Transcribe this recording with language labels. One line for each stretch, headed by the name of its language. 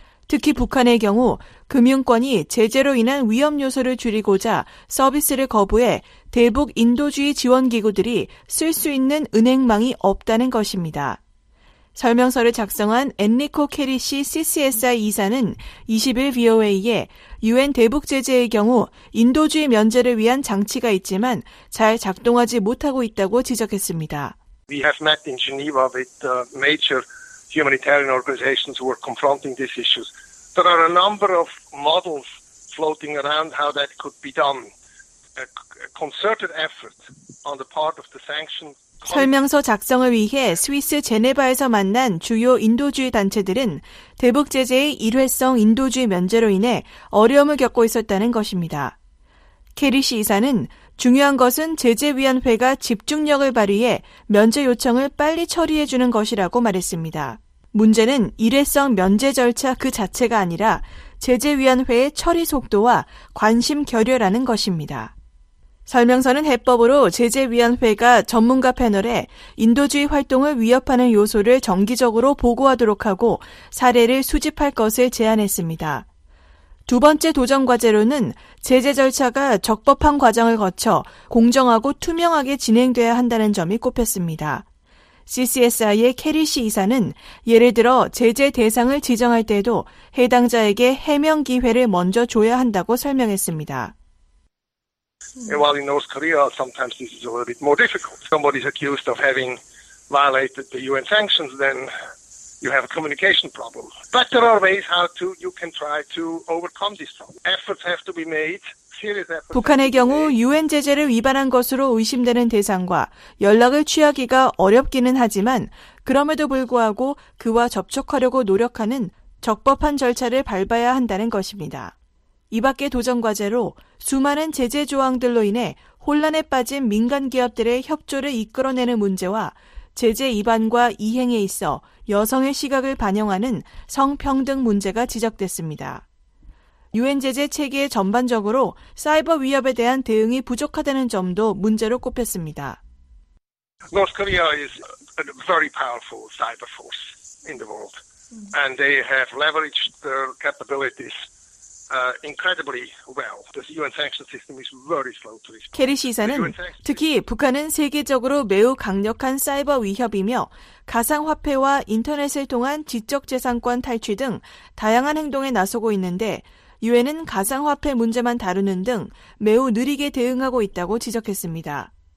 Korean: 특히 북한의 경우 금융권이 제재로 인한 위험 요소를 줄이고자 서비스를 거부해 대북 인도주의 지원기구들이 쓸 수 있는 은행망이 없다는 것입니다. 설명서를 작성한 엔리코 캐리시 CCSI 이사는 20일 VOA에 유엔 대북 제재의 경우 인도주의 면제를 위한 장치가 있지만 잘 작동하지 못하고 있다고 지적했습니다.
English: We have met in Geneva with major humanitarian organizations who are confronting these issues. There are a number of models floating around how that could be done. A concerted effort on the part of the sanctioned
Korean: 설명서 작성을 위해 스위스 제네바에서 만난 주요 인도주의 단체들은 대북 제재의 일회성 인도주의 면제로 인해 어려움을 겪고 있었다는 것입니다. 캐리시 이사는 중요한 것은 제재위원회가 집중력을 발휘해 면제 요청을 빨리 처리해주는 것이라고 말했습니다. 문제는 일회성 면제 절차 그 자체가 아니라 제재위원회의 처리 속도와 관심 결여라는 것입니다. 설명서는 해법으로 제재위원회가 전문가 패널에 인도주의 활동을 위협하는 요소를 정기적으로 보고하도록 하고 사례를 수집할 것을 제안했습니다. 두 번째 도전 과제로는 제재 절차가 적법한 과정을 거쳐 공정하고 투명하게 진행돼야 한다는 점이 꼽혔습니다. CCSI의 캐리시 이사는 예를 들어 제재 대상을 지정할 때도 해당자에게 해명 기회를 먼저 줘야 한다고 설명했습니다.
English: While in North Korea, sometimes this is a little bit more difficult. Somebody is accused of having violated the UN sanctions, then you have a communication problem. But there are ways how to you can try to overcome this problem. Efforts have to be made.
Korean: 북한의 경우 유엔 제재를 위반한 것으로 의심되는 대상과 연락을 취하기가 어렵기는 하지만 그럼에도 불구하고 그와 접촉하려고 노력하는 적법한 절차를 밟아야 한다는 것입니다. 이 밖의 도전 과제로 수많은 제재 조항들로 인해 혼란에 빠진 민간 기업들의 협조를 이끌어내는 문제와 제재 위반과 이행에 있어 여성의 시각을 반영하는 성평등 문제가 지적됐습니다. 유엔 제재 체계의 전반적으로 사이버 위협에 대한 대응이 부족하다는 점도 문제로 꼽혔습니다.
English: North Korea is a very powerful cyber force in the world and they have leveraged their capabilities incredibly well. The UN sanction system is very slow to respond.
Korean: 캐리시 이사는 특히 북한은 세계적으로 매우 강력한 사이버 위협이며 가상화폐와 인터넷을 통한 지적 재산권 탈취 등 다양한 행동에 나서고 있는데 유엔은 가상화폐 문제만 다루는 등 매우 느리게 대응하고 있다고 지적했습니다.